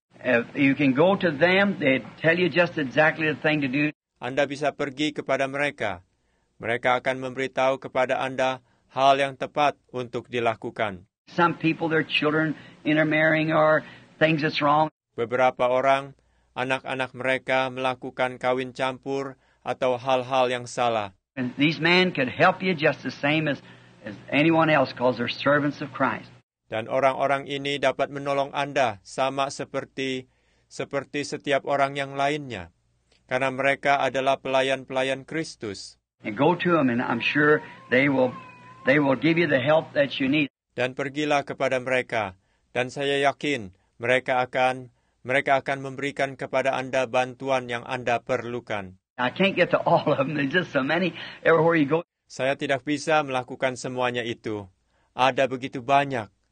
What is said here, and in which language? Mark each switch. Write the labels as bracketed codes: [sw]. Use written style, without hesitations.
[en] If you can go to them, they tell you just exactly the thing to do. [id] Anda bisa pergi kepada mereka. Mereka akan memberitahu kepada Anda hal yang tepat untuk dilakukan. [en] Some people, their children intermarrying or things that's wrong. [id] Beberapa orang, anak-anak mereka melakukan kawin campur atau hal-hal yang salah. [en] And these men could help you just the same as anyone else, because they're servants of Christ. [id] Dan orang-orang ini dapat menolong Anda sama seperti setiap orang yang lainnya, karena mereka adalah pelayan-pelayan Kristus. [en] And go to them, and I'm sure they will give you the help that you need. [id] Dan pergilah kepada mereka, dan saya yakin mereka akan memberikan kepada Anda bantuan yang Anda perlukan. [en] I can't get to all of them. There's just so many everywhere you go. [id] Saya tidak bisa melakukan semuanya itu. Ada begitu banyak.